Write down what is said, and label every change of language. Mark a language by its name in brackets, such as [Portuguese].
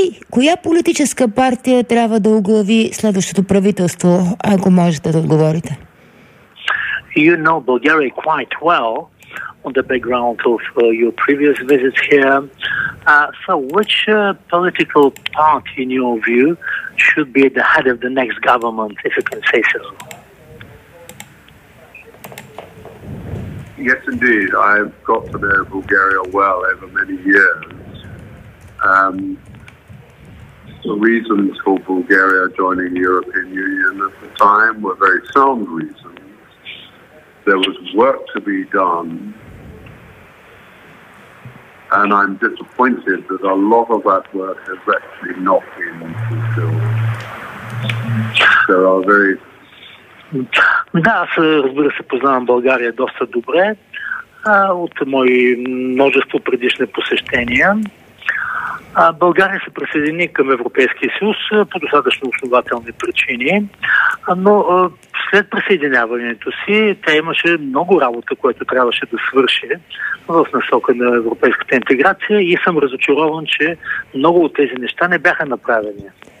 [Bulgarian] Коя политическа партия трябва да оглави следващото правителство, ако можете да отговорите? [English] You know Bulgaria quite well on the background of your previous visits here. So which political party in your view should be at the head of the next government, if you can say so? Yes, indeed. I've got to know Bulgaria well over many years. The reasons for Bulgaria joining the European Union at the time were very sound reasons. There was work to be done. And I'm disappointed that a lot of that work has actually not been fulfilled. [Bulgarian] Да, аз, разбира се, познавам България доста добре от мои множество предишни посещения. България се присъедини към Европейския съюз по достатъчно основателни причини, но след присъединяването си тя имаше много работа, която трябваше да свърши в насока на европейската интеграция, и съм разочарован, че много от тези неща не бяха направени.